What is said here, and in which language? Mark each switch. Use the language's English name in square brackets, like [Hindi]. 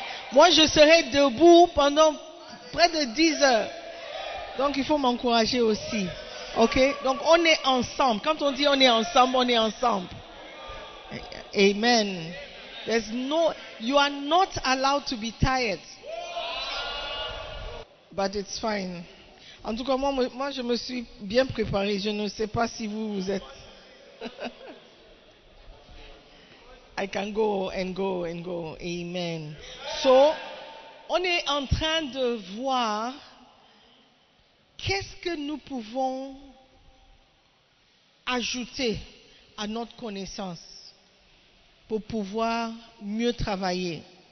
[French] Moi, je serai debout pendant près de 10 heures. Donc, il faut m'encourager aussi. OK? Donc, on est ensemble. Quand on dit on est ensemble, on est ensemble. Amen. [English] There's no, you are not allowed to be tired. But it's fine. [French] En tout cas, moi, je me suis bien préparé. Je ne sais pas si vous êtes... [English] I can go and go and go. Amen. So, [French] on est en train de voir qu'est-ce que nous pouvons ajouter à notre connaissance pour pouvoir mieux travailler.